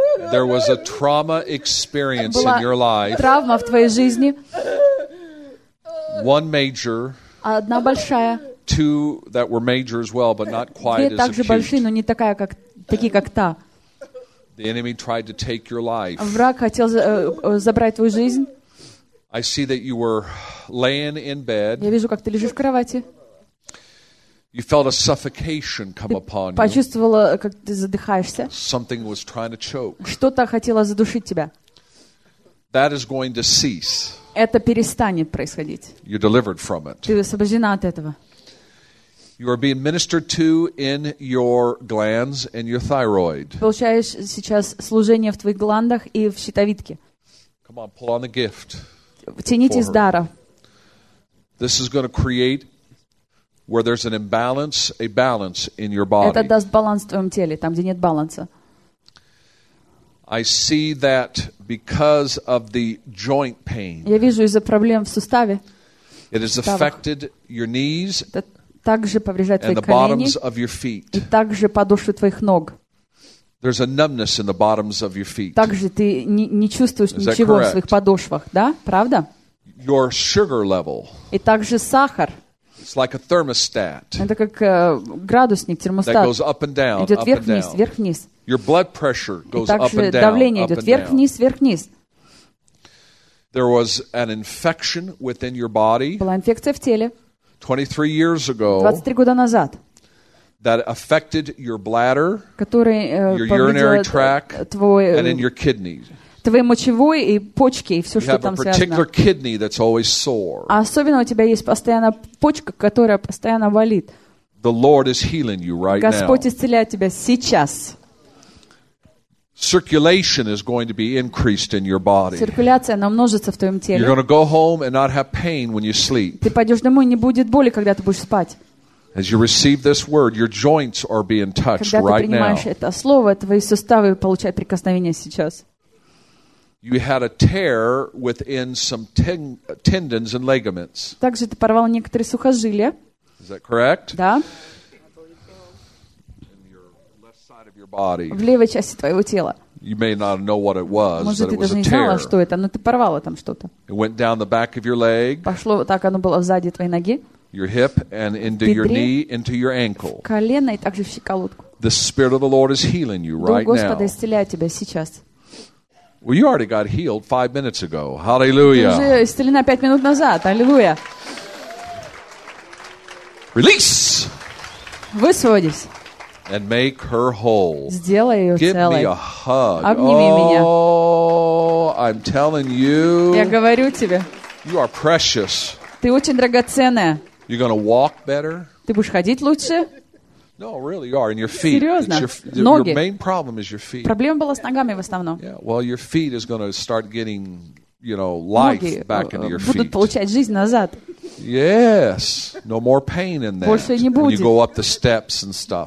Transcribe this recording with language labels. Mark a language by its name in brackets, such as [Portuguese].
[English] There was a trauma experience in your life. [Russian] Травма в твоей жизни. [English] One major. [Russian] Одна большая. [English] Two that were major as well, but not quite as acute. [Russian] Две также большие, но не такая как такие как та. [English] The enemy tried to take your life. [Russian] Враг хотел забрать твою жизнь. [English] I see that you were laying in bed. [Russian] Я вижу, как ты лежишь в кровати. [English] You felt a suffocation come upon you. [Russian] Почувствовала, как ты задыхаешься. [English] Something was trying to choke. [Russian] Что-то хотело задушить тебя. [English] That is going to cease. [Russian] Это перестанет происходить. [English] You're delivered from it. [Russian] Ты освобождена от этого. [English] You are being ministered to in your glands and your thyroid. [Russian] Получаешь сейчас служение в твоих гландах и в щитовидке. [English] Come on, pull on the gift. [Russian] Тяните с дара. [English] This is going to create where there's an imbalance, a balance in your body. [Russian] Это даст баланс в твоем теле, там, где нет баланса. [English] I see that because of the joint pain. [Russian] Я вижу из-за проблем в суставе. [English] It has affected your knees. [Russian] Также повреждает твои колени и также подошвы твоих ног. [English] There's a numbness in the bottoms of your feet. [Russian] Также ты не чувствуешь ничего в своих подошвах, да? Правда? [English] Your sugar level. [Russian] И также сахар. [English] It's like a thermostat. [Russian] Это как градусник, термостат. [English] That goes up and down, [Russian] идет вверх-вниз, вверх-вниз. [English] Your blood pressure goes [Russian] и также [English] up and [Russian] давление [English] down, [Russian] идет вверх-вниз, вверх-вниз. [English] There was an infection within your body. [Russian] Была инфекция в теле. [English] 23 years ago, [Russian] 23 года назад, [English] that affected your bladder, [Russian] который, [English] your urinary tract, [Russian] твой, [English] and in your kidneys. [Russian] Твоей мочевой и почки, и все, [English] you [Russian] что там связано. [English] Kidney that's always sore. [Russian] А особенно у тебя есть постоянно почка, которая постоянно болит. [English] The Lord is healing you right [Russian] Господь Господь исцеляет тебя сейчас. [English] Circulation is going to be increased in your body. [Russian] Циркуляция намножится в твоем теле. [English] You're going to go home and not have pain when you sleep. [Russian] Ты пойдешь домой, не будет боли, когда ты будешь спать. [English] As you receive this word, your joints are being touched right now. [Russian] Когда ты принимаешь это слово, твои суставы получают прикосновение сейчас. [English] You had a tear within some tendons and ligaments. [Russian] Также ты порвал некоторые сухожилия. [English] Is that correct? [Russian] Да. [English] Body. [Russian] В левой части твоего тела. [English] You may not know what it was, [Russian] может, [English] but it was a tear. [Russian] Может, ты даже не знала, что это, но ты порвала там что-то. [English] It went down the back of your leg. [Russian] Пошло вот так, оно было сзади твоей ноги. [English] Your hip and into your knee, into your ankle. [Russian] В колено и также в щиколотку. [English] The Spirit of the Lord is healing you right now. [Russian] Дух Господа исцеляет тебя сейчас. [English] Well, you already got healed 5 minutes ago. Hallelujah. [Russian] Ты уже исцелена 5 минут назад. Аллилуйя. [English] Release. [Russian] Высвободись. [English] And make her whole. [Russian] Сделай ее [English] Give [Russian] целой. [English] Give me a hug. [Russian] Обними oh, меня. [English] I'm telling you. [Russian] Я говорю тебе. [English] You are precious. [Russian] Ты очень драгоценная. [English] You're gonna walk better. [Russian] Ты будешь ходить лучше. [English] No, really, you are. And your feet. [Russian] Серьезно. Ноги. [English] Your main problem is your feet. [Russian] Проблема была с ногами в основном. [English] Yeah. Well, your feet is gonna start getting, you know, life [Russian] Ноги [English] back into your [Russian] будут [English] feet. [Russian] Получать жизнь назад. [English] Yes, no more pain in that. [Russian] Больше не будет. [English] And you go up the steps and stuff.